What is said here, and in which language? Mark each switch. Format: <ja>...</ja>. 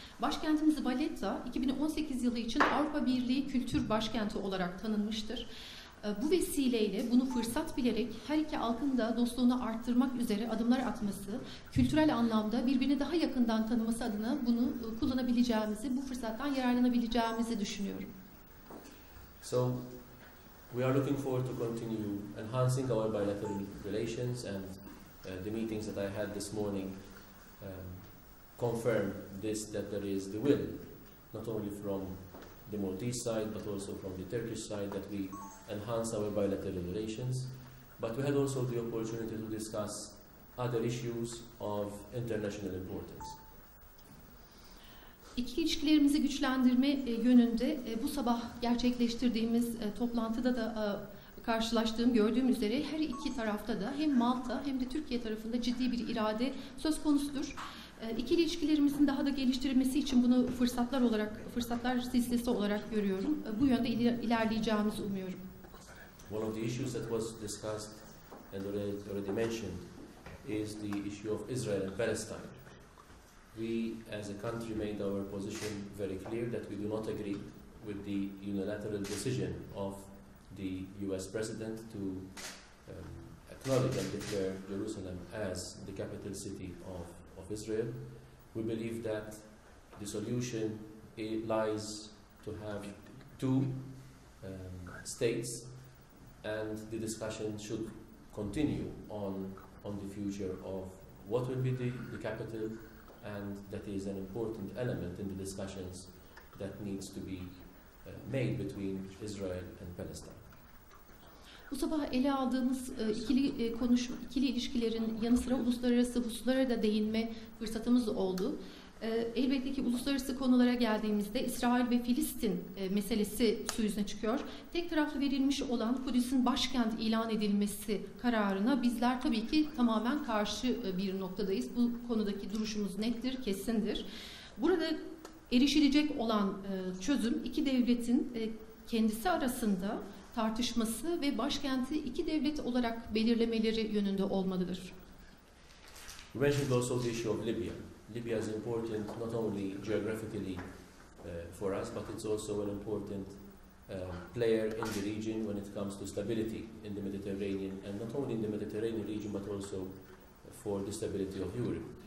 <tr>Başkentimiz Valletta 2018 yılı için Avrupa Birliği Kültür Başkenti olarak tanınmıştır. Bu vesileyle bunu fırsat bilerek her iki halkın da dostluğunu arttırmak üzere adımlar atması, kültürel anlamda birbirini daha yakından tanıması adına bunu kullanabileceğimizi, bu fırsattan yararlanabileceğimizi düşünüyorum.</tr> <en>So we are looking forward to continue enhancing our bilateral relations and the meetings that I had this morning confirm this, that there is the will, not only from the Maltese side, but also from the Turkish side, that we enhance our bilateral relations. But we had also the opportunity to discuss other issues of international importance.</en> <tr>İki ilişkilerimizi güçlendirme yönünde bu sabah gerçekleştirdiğimiz toplantıda da karşılaştığım, gördüğüm üzere her iki tarafta da hem Malta hem de Türkiye tarafında ciddi bir irade söz konusudur. İki ilişkilerimizin daha da geliştirilmesi için bunu fırsatlar olarak, fırsatlar silsilesi olarak görüyorum. Bu yönde ilerleyeceğimizi umuyorum.</tr> <en>One of the issues that was discussed and already mentioned is the issue of Israel and Palestine. We as a country made our position very clear that we do not agree with the unilateral decision of the US president to acknowledge and declare Jerusalem as the capital city of Israel. We believe that the solution lies to have two states, and the discussion should continue on the future of what will be the capital, and that is an important element in the discussions that needs to be made between Israel and Palestine.</en> <tr>Bu sabah ele aldığımız ikili ilişkilerin yanı sıra uluslararası hususlara da değinme fırsatımız oldu. Elbette ki uluslararası konulara geldiğimizde İsrail ve Filistin meselesi su yüzüne çıkıyor. Tek taraflı verilmiş olan Kudüs'ün başkent ilan edilmesi kararına bizler tabii ki tamamen karşı bir noktadayız. Bu konudaki duruşumuz nettir, kesindir. Burada erişilecek olan çözüm iki devletin kendisi arasında tartışması ve başkenti iki devlet olarak belirlemeleri yönünde olmalıdır.</tr> <en>We mentioned also the issue of Libya. Libya is important not only geographically for us, but it's also an important player in the region when it comes to stability in the Mediterranean, and not only in the Mediterranean region, but also for the stability of Europe.</en>